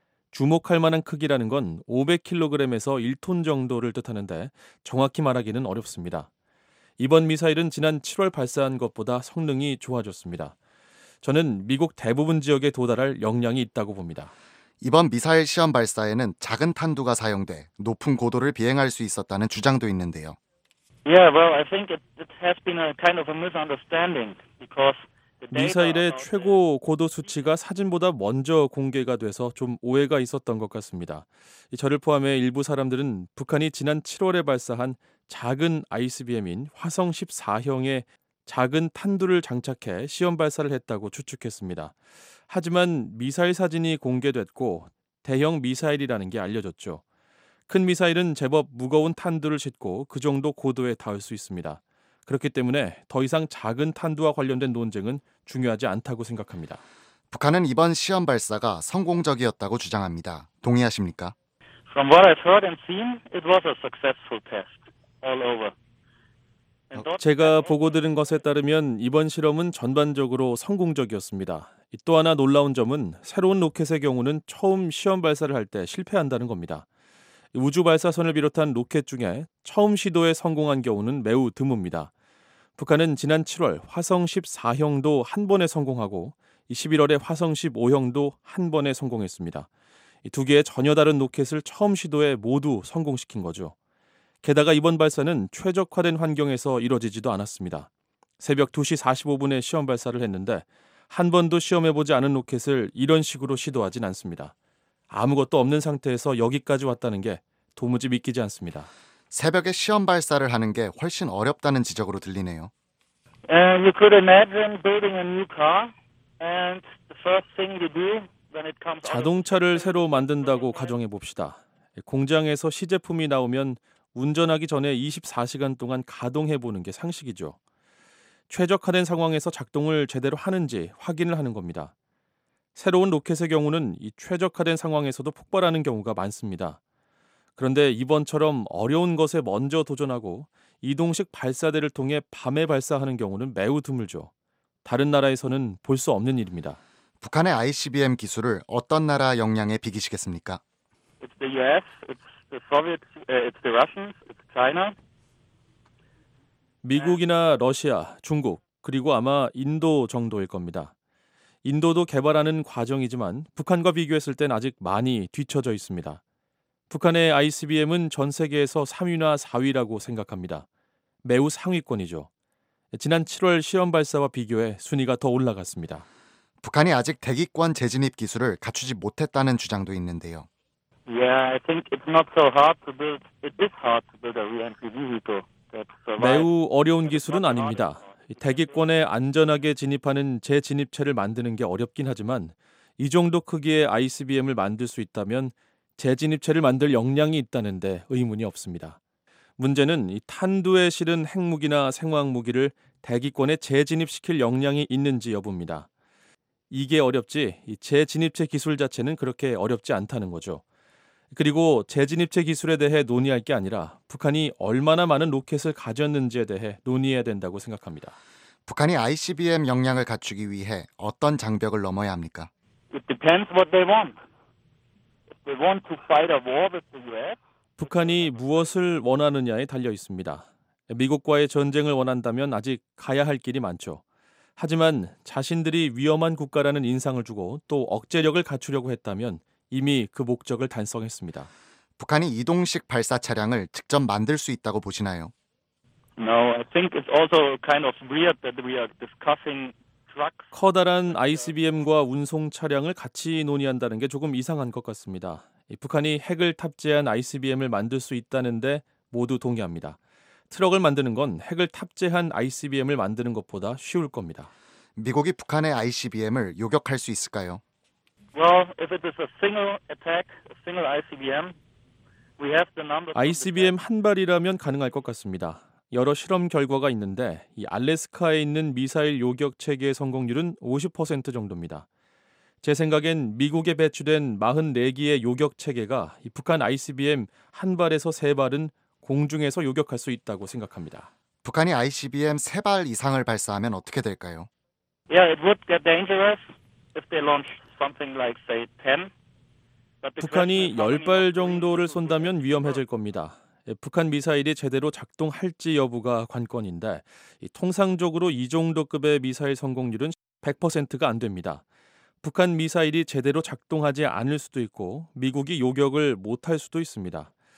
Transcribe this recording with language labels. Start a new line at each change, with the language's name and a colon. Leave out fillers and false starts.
Korean: 주목할 만한 크기라는 건 500kg에서 1톤 정도를 뜻하는데 정확히 말하기는 어렵습니다. 이번 미사일은 지난 7월 발사한 것보다 성능이 좋아졌습니다. 저는 미국 대부분 지역에 도달할 역량이 있다고 봅니다. 이번 미사일 시험 발사에는 작은 탄두가 사용돼 높은 고도를 비행할 수 있었다는 주장도 있는데요.
English: Yeah, well, I think it has been a kind of a misunderstanding because
Korean: 미사일의 최고 고도 수치가 사진보다 먼저 공개가 돼서 좀 오해가 있었던 것 같습니다. 저를 포함해 일부 사람들은 북한이 지난 7월에 발사한 작은 ICBM인 화성 14형에 작은 탄두를 장착해 시험 발사를 했다고 추측했습니다. 하지만 미사일 사진이 공개됐고 대형 미사일이라는 게 알려졌죠. 큰 미사일은 제법 무거운 탄두를 싣고 그 정도 고도에 닿을 수 있습니다. 그렇기 때문에 더 이상 작은 탄두와 관련된 논쟁은 중요하지 않다고 생각합니다. 북한은 이번 시험 발사가 성공적이었다고 주장합니다. 동의하십니까?
English: From what I've heard and seen, it was a successful test all over.
Korean: 제가 보고 들은 것에 따르면 이번 실험은 전반적으로 성공적이었습니다. 또 하나 놀라운 점은 새로운 로켓의 경우는 처음 시험 발사를 할 때 실패한다는 겁니다. 우주발사선을 비롯한 로켓 중에 처음 시도에 성공한 경우는 매우 드뭅니다. 북한은 지난 7월 화성 14형도 한 번에 성공하고 11월에 화성 15형도 한 번에 성공했습니다. 두 개의 전혀 다른 로켓을 처음 시도에 모두 성공시킨 거죠. 게다가 이번 발사는 최적화된 환경에서 이뤄지지도 않았습니다. 새벽 2시 45분에 시험 발사를 했는데 한 번도 시험해보지 않은 로켓을 이런 식으로 시도하진 않습니다. 아무것도 없는 상태에서 여기까지 왔다는 게 도무지 믿기지 않습니다. 새벽에 시험 발사를 하는 게 훨씬 어렵다는 지적으로 들리네요.
English: And you could imagine building a new car and the first thing you do when it comes
Korean: 자동차를 새로 만든다고 가정해 봅시다. 공장에서 시제품이 나오면 운전하기 전에 24시간 동안 가동해 보는 게 상식이죠. 최적화된 상황에서 작동을 제대로 하는지 확인을 하는 겁니다. 새로운 로켓의 경우는 이 최적화된 상황에서도 폭발하는 경우가 많습니다. 그런데 이번처럼 어려운 것에 먼저 도전하고 이동식 발사대를 통해 밤에 발사하는 경우는 매우 드물죠. 다른 나라에서는 볼 수 없는 일입니다. 북한의 ICBM 기술을 어떤 나라 역량에 비기시겠습니까?
English: It's the US, it's the Soviet, it's the Russians, it's China.
Korean: 미국이나 러시아, 중국, 그리고 아마 인도 정도일 겁니다. 인도도 개발하는 과정이지만 북한과 비교했을 땐 아직 많이 뒤처져 있습니다. 북한의 ICBM은 전 세계에서 3위나 4위라고 생각합니다. 매우 상위권이죠. 지난 7월 시험 발사와 비교해 순위가 더 올라갔습니다. 북한이 아직 대기권 재진입 기술을 갖추지 못했다는 주장도 있는데요.
English: Yeah, I think it's not so hard to build. It is hard to build a re-entry vehicle.
Korean: 매우 어려운 기술은 아닙니다. 대기권에 안전하게 진입하는 재진입체를 만드는 게 어렵긴 하지만 이 정도 크기의 ICBM을 만들 수 있다면 재진입체를 만들 역량이 있다는데 의문이 없습니다. 문제는 이 탄두에 실은 핵무기나 생화학무기를 대기권에 재진입시킬 역량이 있는지 여부입니다. 이게 어렵지 이 재진입체 기술 자체는 그렇게 어렵지 않다는 거죠. 그리고 재진입체 기술에 대해 논의할 게 아니라 북한이 얼마나 많은 로켓을 가졌는지에 대해 논의해야 된다고 생각합니다. 북한이 ICBM 역량을 갖추기 위해 어떤 장벽을 넘어야 합니까?
English: It depends what they want. If they want to fight a war with the US.
Korean: 북한이 무엇을 원하느냐에 달려 있습니다. 미국과의 전쟁을 원한다면 아직 가야 할 길이 많죠. 하지만 자신들이 위험한 국가라는 인상을 주고 또 억제력을 갖추려고 했다면 이미 그 목적을 달성했습니다. 북한이 이동식 발사 차량을 직접 만들 수 있다고 보시나요?
English: No, I think it's also kind of weird that we are discussing trucks.
Korean: 커다란 ICBM과 운송 차량을 같이 논의한다는 게 조금 이상한 것 같습니다. 북한이 핵을 탑재한 ICBM을 만들 수 있다는데 모두 동의합니다. 트럭을 만드는 건 핵을 탑재한 ICBM을 만드는 것보다 쉬울 겁니다. 미국이 북한의 ICBM을 요격할 수 있을까요?
English: Well, if it is a single attack, a single ICBM, we have the number.
Korean: ICBM 한 발이라면 가능할 것 같습니다. 여러 실험 결과가 있는데 이 알래스카에 있는 미사일 요격 체계의 성공률은 50% 정도입니다. 제 생각엔 미국에 배치된 44기의 요격 체계가 이 북한 ICBM 한 발에서 세 발은 공중에서 요격할 수 있다고 생각합니다. 북한이 ICBM 세 발 이상을 발사하면 어떻게 될까요?
English: Yeah, it would get dangerous if they launch something like say 10.
Korean: 북한이 10발 정도를 쏜다면 위험해질 겁니다. 북한 미사일이 제대로 작동할지 여부가 관건인데 통상적으로 이 정도급의 미사일 성공률은 100%가 안 됩니다. 북한 미사일이 제대로 작동하지 않을 수도 있고 미국이 요격을 못할 수도 있습니다.